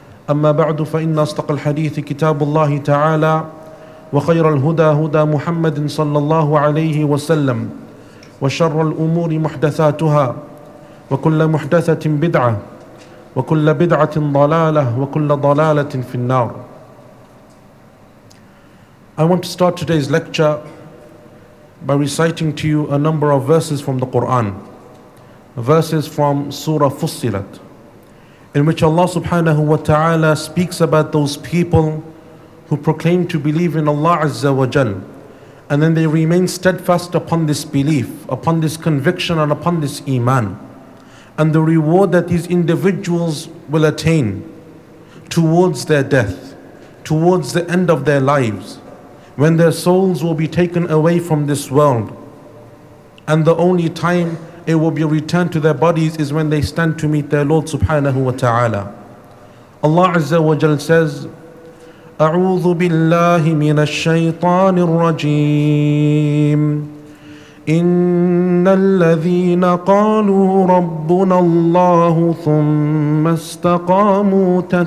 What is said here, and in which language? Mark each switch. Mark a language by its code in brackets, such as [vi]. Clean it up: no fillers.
[ar] أما بعد، فإن أصدق الحديث كتاب الله تعالى، وخير الهدى هدى محمد صلى الله عليه وسلم، وشر الأمور محدثاتها، وكل محدثة بدعة، وكل بدعة ضلالة، وكل ضلالة في النار. [en] I want to start today's lecture by reciting to you a number of verses from the Quran, verses from Surah Fussilat, in which Allah subhanahu wa ta'ala speaks about those people who proclaim to believe in Allah Azza wa Jal, and then they remain steadfast upon this belief, upon this conviction, and upon this iman, and the reward that these individuals will attain towards their death, towards the end of their lives, when their souls will be taken away from this world, and the only time it will be returned to their bodies is when they stand to meet their Lord subhanahu wa ta'ala. Allah Azza wa Jal says, [ar] أعوذ بالله من الشيطان الرجيم إن الذين قالوا ربنا الله ثم استقاموا